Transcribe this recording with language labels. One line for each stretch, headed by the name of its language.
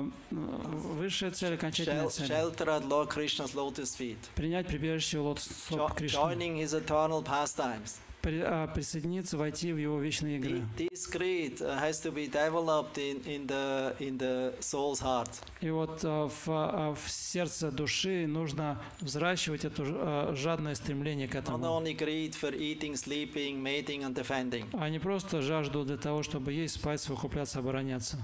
Russian: Высшая цель, окончательная цель.
English: Shelter at Lord Krishna's lotus feet.
Russian: Принять прибежище у лотосов Кришны.
English: Joining his eternal pastimes.
Russian: присоединиться, войти в его вечные игры.
English: This greed has to be developed in the soul's heart.
Russian: И вот в сердце души нужно взращивать это жадное стремление к этому.
English: Not only greed for eating, sleeping, mating and defending.
Russian: А не просто жажду для того, чтобы есть, спать, выкупляться, обороняться.